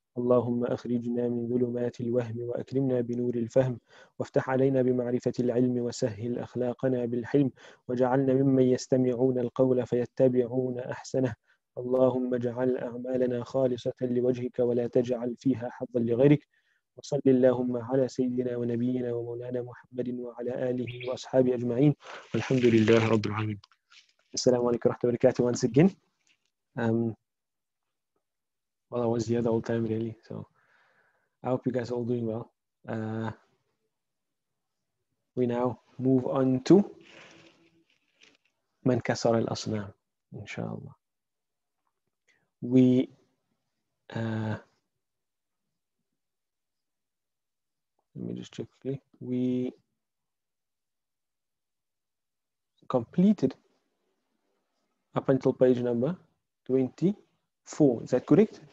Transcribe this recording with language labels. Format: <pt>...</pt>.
<ar>اللهم أخرجنا من ظلمات الوهم وأكرمنا بنور الفهم، وافتح علينا بمعرفة العلم وسهل أخلاقنا بالحلم، واجعلنا ممن يستمعون القول فيتبعون أحسنه. اللهم اجعل أعمالنا خالصة لوجهك ولا تجعل فيها حظا لغيرك. وصل اللهم على سيدنا ونبينا ومولانا محمد وعلى آله وأصحابه أجمعين، والحمد لله رب العالمين. السلام عليكم ورحمة الله وبركاته.</ar> <en>Once again, well, I was here the whole time really, so I hope you guys are all doing well. We now move on to من كسر الأصنام إن شاء الله. We let me just check quickly. We completed up until page number 24. Is that correct?</en>